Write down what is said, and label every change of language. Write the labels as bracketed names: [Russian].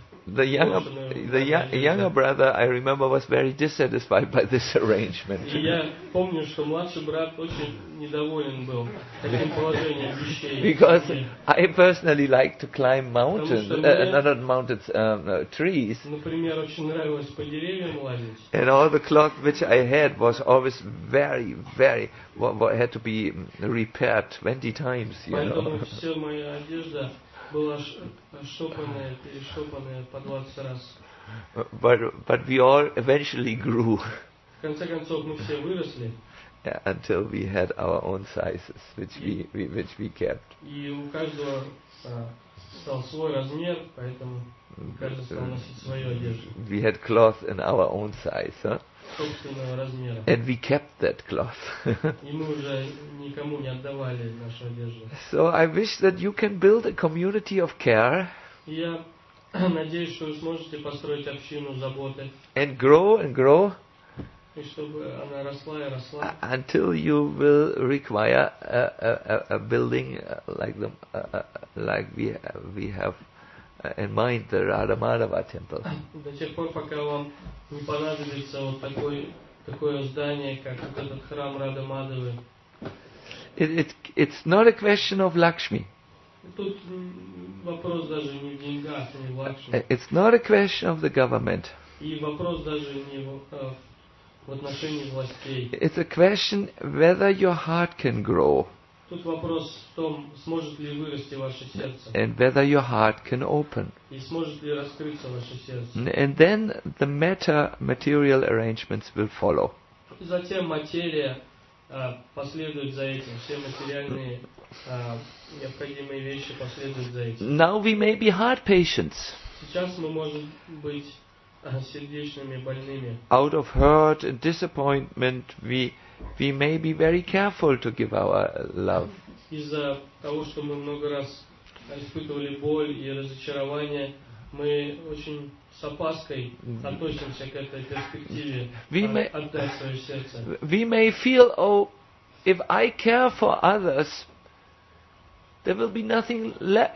[English] younger brother, I remember, was very dissatisfied by this arrangement. [Russian] И я помню, что младший брат очень недоволен был этим положением вещей. [English] Because I personally like to climb mountains, not mountains, trees. [Russian] Например, очень нравилось по деревьям лазить. [English] And all the cloth which I had was always very, very, had to be repaired 20 times, you [Russian] Поэтому [English] know. [Russian] Поэтому вся моя одежда была шопанная, перешопанная по 20 раз. [English] But we all eventually grew. [Russian] В конце концов, мы все выросли. [English] Yeah, until we had our own sizes, which we kept. [Russian] И у каждого стал свой размер, поэтому каждый стал носить свою одежду. [English] We had cloth in our own size, huh? [Russian] Собственного размера. [English] And we kept that cloth. [Russian] И мы уже никому не отдавали нашу одежду. [English] So I wish that you can build a community of care. [Russian] Я надеюсь, что вы сможете построить общину заботы. [English] And grow and grow. [Russian] И чтобы она росла и росла. [English] Until you will require a building like the like we have in mind the Radha Madhava temple. [Russian] До тех пор, пока вам не понадобится вот такое здание, как вот этот храм Радха Мадхавы. [English] It's not a question of Lakshmi. [Russian] Тут вопрос даже не в деньгах, не в Лакшми. [English] It's not a question of the government. [Russian] И вопрос даже не в отношении властей. [English] It's a question whether your heart can grow. [Russian] Тут вопрос в том, сможет ли вырасти ваше сердце. [English] And whether your heart can open. [Russian] И сможет ли раскрыться ваше сердце. [English] And then the material arrangements will follow. [Russian] И затем материя последует за этим. Все материальные необходимые вещи последуют за этим. [English] Now we may be heart patients. [Russian] Сейчас мы можем быть сердечными больными. [English] Out of hurt and disappointment, we may be very careful to give our love. [Russian] Из-за того, что мы много раз испытывали боль и разочарование, мы очень с опаской относимся к этой перспективе отдать свое сердце. [English] We may feel, oh, if I care for others, there will be nothing left.